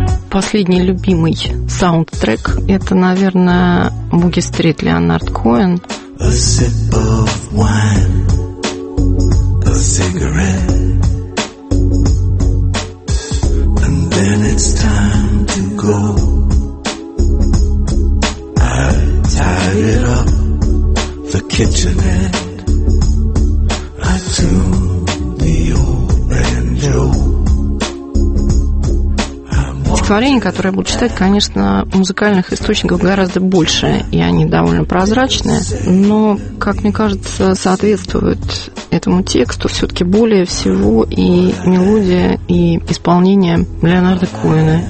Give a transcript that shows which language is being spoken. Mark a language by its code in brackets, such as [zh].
[ru] Последний любимый саундтрек – это, наверное, «Буги Стрит» Леонард Коэн. [en] A sip of wine, a cigarette, and then it's time to go. I tied it up, the kitchenette, I tuned the old banjo. [ru] Стихотворений, которые я буду читать, конечно, музыкальных источников гораздо больше, и они довольно прозрачные, но, как мне кажется, соответствуют этому тексту все-таки более всего и мелодия, и исполнение Леонарда Коэна.